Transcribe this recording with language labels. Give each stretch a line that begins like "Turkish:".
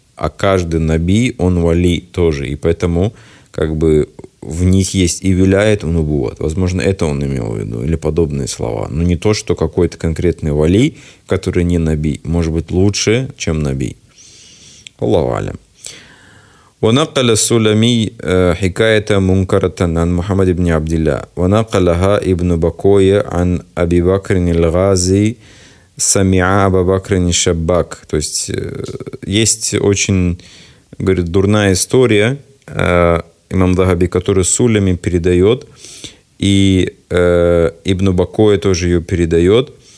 Russian: А каждый Наби, он вали тоже. И поэтому как бы в них есть и виляет, и Нубуат. Возможно, это он имел в виду. Или подобные слова. Но не то, что какой-то конкретный вали, который не Наби, может быть лучше, чем Наби. Аллаху алям.
Arabic: ونقل السلمي حكاية منكرة عن محمد بن عبد الله ونقلها ابن بكوية عن أبي بكر الغازي سمع أبا بكر الشباك.
Russian: То есть есть очень, говорит, дурная история имам Захаби, которую Сулями передает, и ибн Бакоя тоже ее передает.